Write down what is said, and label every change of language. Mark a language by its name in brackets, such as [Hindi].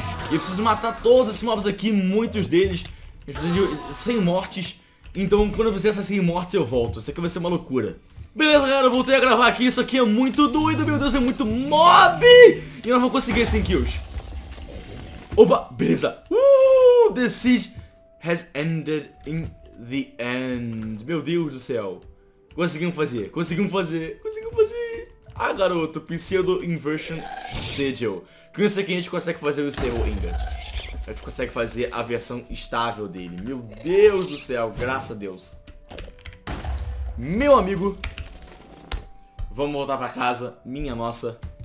[Portuguese] E eu preciso matar todos esses mobs aqui, muitos deles. A gente precisa de 100 mortes. Então quando eu fizer essas 100 mortes eu volto. Isso aqui vai ser uma loucura. Beleza, galera, eu voltei a gravar aqui. Isso aqui é muito doido, meu Deus, é muito mob. E nós vamos conseguir 100 kills. Opa, beleza. [English] The siege has ended in the end. [Portuguese] Meu Deus do céu. Conseguimos fazer, conseguimos fazer, conseguimos fazer. Ah, garoto, pseudo inversion sigil. Com isso aqui a gente consegue fazer o seu ingot. A gente consegue fazer a versão estável dele. Meu Deus do céu, graças a Deus. Meu amigo, vamos voltar pra casa. Minha nossa.